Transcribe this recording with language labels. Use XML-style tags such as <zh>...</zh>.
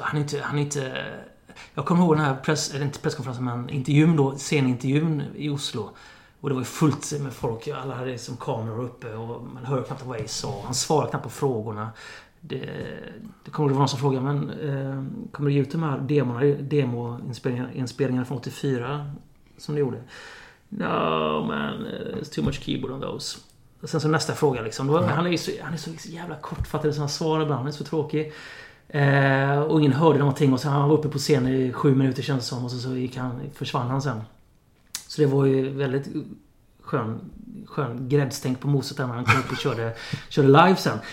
<sv>Han är inte... Jag kommer ihåg den här presskonferensen, men intervjun då, scenintervjun i Oslo. Och det var ju fullt med folk. Alla hade liksom kameror uppe och man hör knappt vad Ace sa. Han svarade knappt på frågorna. Det kommer att vara någon som frågar, men kommer du ge ut de här demoinspelningarna från 84 som du gjorde?</sv> <en>No man, it's too much keyboard on those.</en> <sv>Och sen så nästa fråga liksom. Då, ja. Han är så liksom jävla kortfattad, så han svarar ibland, han är så tråkig. Och ingen hörde någonting, och sen han var uppe på scenen i 7 minuter kändes som, och så försvann han sen. Så det var ju väldigt skön gräddstänk på moset där, när han kom upp och körde live sen.</sv>